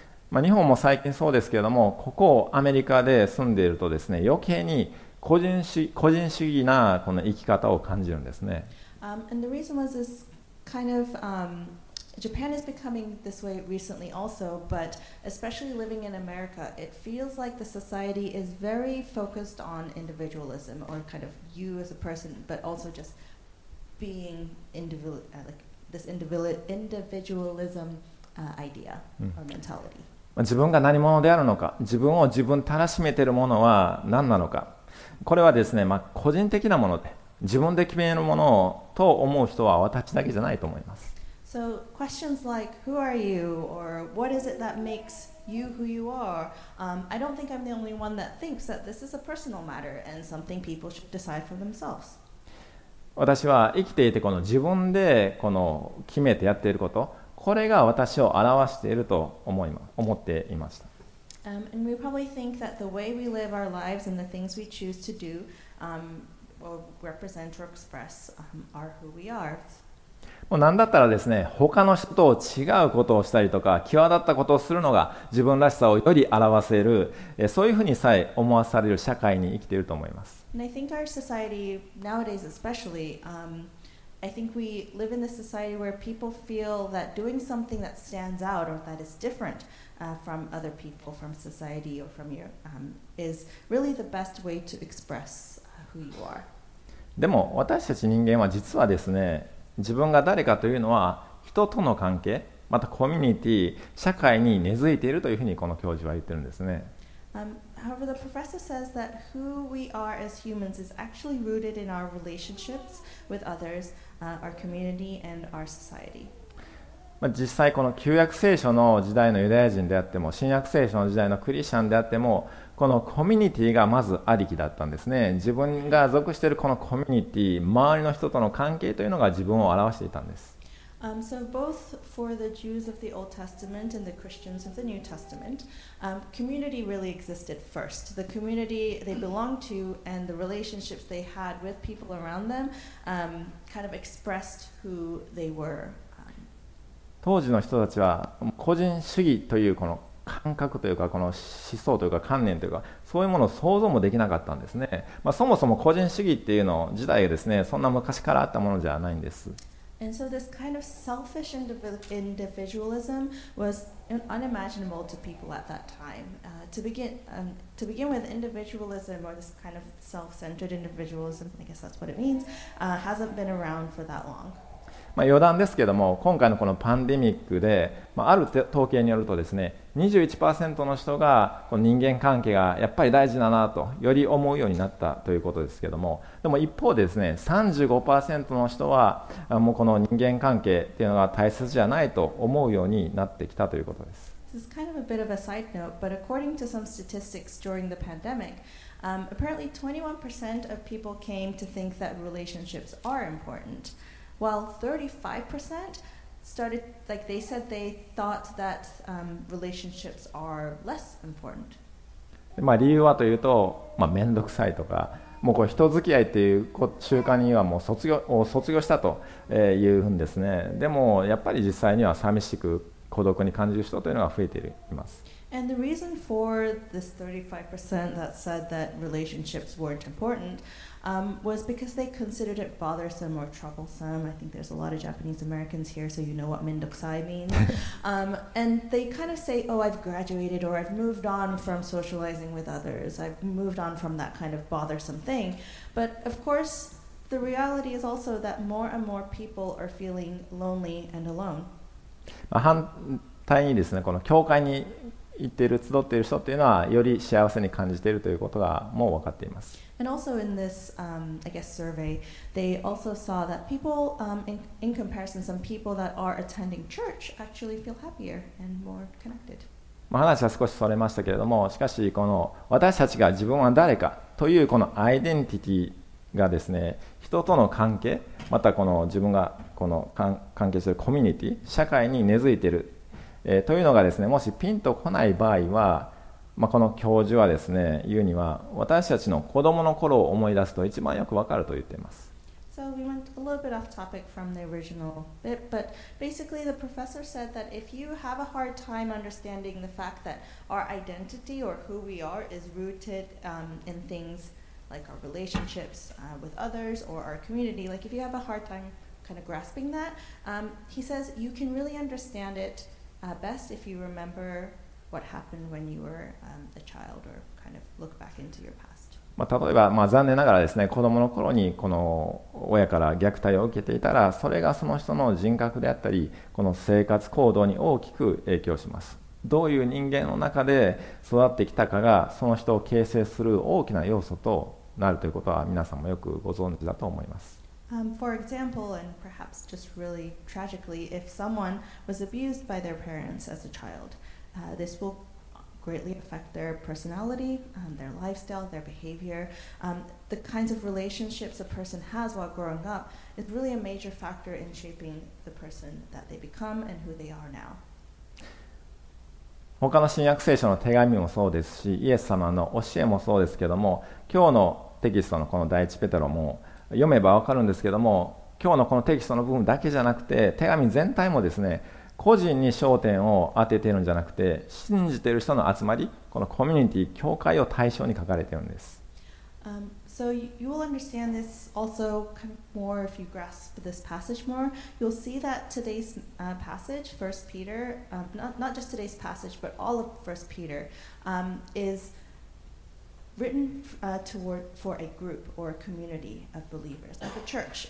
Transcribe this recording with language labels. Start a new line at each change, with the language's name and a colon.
Japanese: まあ日本も最近そうですけれども、ここをアメリカで住んでいるとですね、余計に個人主義なこの生き方を感じるんですね。
English: And the reason was this kind of, Japan is becoming this way recently also, but especially living in America, it feels like the society is very focused on individualism or kind of you as a person, but also just being individualism idea or mentality.
Japanese: 自分が何者であるのか、自分を自分たらしめているものは何なのか、これはですね、まあ、個人的なもので自分で決めるものと思う人は私だけじゃないと思います。
English: So questions like who are you or what is it that makes you who you are, I don't think I'm the only one that thinks that this is a personal matter and something people should decide for themselves.
Japanese: 私は生きていてこの自分でこの決めてやっていること、これが私を表していると思っていました。
English: And we probably think that the way we live our lives and the things we choose to do, or represent or express, are who we are.
Japanese: もう何だったらですね、他の人と違うことをしたりとか、際立ったことをするのが自分らしさをより表せる、そういうふうにさえ思わされる社会に生きていると思います。
English: And I think our society nowadays especially, I think we live in a society where people feel that doing something that stands out or that is different from other people, from society or from your, is really the best way to express who you are.
Japanese: でも私たち人間は実はですね、自分が誰かというのは人との関係、またコミュニティ、社会に根付いているというふうにこの教授は言ってるんですね。
English: However, the professor says that who we are as humans is actually rooted in our relationships with others, our community, and our society.
Japanese: 実際この旧約聖書の時代のユダヤ人であっても、新約聖書の時代のクリスチャンであっても、このコミュニティがまずありきだったんですね。自分が属しているこのコミュニティ、周りの人との関係というのが自分を表していたんです。
English: So both for the Jews of the Old Testament and the Christians of the New Testament, community really existed first. The community they belonged to and the relationships they had with people around them, kind of expressed who they were.
Japanese: 当時の人たちは個人主義というこの感覚というかこの思想というか観念というかそういうものを想像もできなかったんですね。まあ、そもそも個人主義っていうの自体ですね、そんな昔からあったものじゃないんです。
English: And so this kind of selfish individualism was unimaginable to people at that time. To begin with, individualism or this kind of self-centered individualism, I guess that's what it means, hasn't been around for that long.
Japanese: まあ余談ですけども、今回のこのパンデミックで、まあ、ある統計によるとですね、21% の人がこの人間関係がやっぱり大事だなとより思うようになったということですけども、でも一方でですね、35% の人はもうこの人間関係っていうのが大切じゃないと思うようになってきたということです。
English: This is kind of a bit of a side note, but according to some statistics during the pandemic, apparently 21% of people came to think that relationships are important. While 35% started, like they said, they thought that relationships are less important.
Japanese: まあ理由はというと、まあ面倒くさいとか、もうこう人付き合いっていう習慣にはもう卒業したというふうにですね。でもやっぱり実際には寂しく孤独に感じる人というのが増えています。
English: And the reason for this 35% that said that relationships weren't important, was because they considered it bothersome or troublesome. I think there's a lot of Japanese Americans here, so you know what mendokusai means. And they kind of say, oh, I've graduated or I've moved on from socializing with others. I've moved on from that kind of bothersome thing. But of course, the reality is also that more and more people are feeling lonely and alone.
Japanese: 対にですね、この教会に行っている集っている人というのはより幸せに感じているということがもう分かっています。
English: And also in this, I guess, survey, they also saw that people, in comparison, some people that are attending church actually feel happier and more connected.
Japanese: 話は少しそれましたけれども、しかしこの私たちが自分は誰かというこのアイデンティティがですね、人との関係、またこの自分がこの関係するコミュニティ、社会に根付いている、というのがですね、もしピンとこない場合は、まあ、この教授はですね、言うには私たちの子供の頃を思い出すと一番よくわかると言っています。
English: So we went a little bit off topic from the original bit, but basically the professor said that if you have a hard time understanding the fact that our identity or who we are is rooted in things like our relationships with others or our community, like if you have a hard time kind of grasping that, he says you can really understand it best if you remember what happened when you were a child or kind of look back into your past.
Japanese: まあ、例えば、まあ、残念ながらですね、子供の頃にこの親から虐待を受けていたら、それがその人の人格であったり、この生活行動に大きく影響します。どういう人間の中で育ってきたかが、その人を形成する大きな要素となるということは、皆さんもよくご存知だと思います。
English: For example, and perhaps just really tragically, if someone was abused by their parents as a child,this will greatly affect their personality, their lifestyle, their behavior. The kinds of relationships a person has while growing up is really a major factor in shaping the person that they become and who they are now.
Japanese: 他の新約聖書の手紙もそうですし、イエス様の教えもそうですけども、今日のテキストのこの第一ペテロも読めばわかるんですけども、今日のこのテキストの部分だけじゃなくて、手紙全体もですね、個人に焦点を当てているんじゃなくて、信じている人の集まり、このコミュニティ、教会を対象に書かれているんです。
English: So you will understand this also more if you grasp this passage more. You'll see that today's passage, 1 Peter, not just today's passage, but all of 1 Peter, is written for a group or a community of believers, like a church.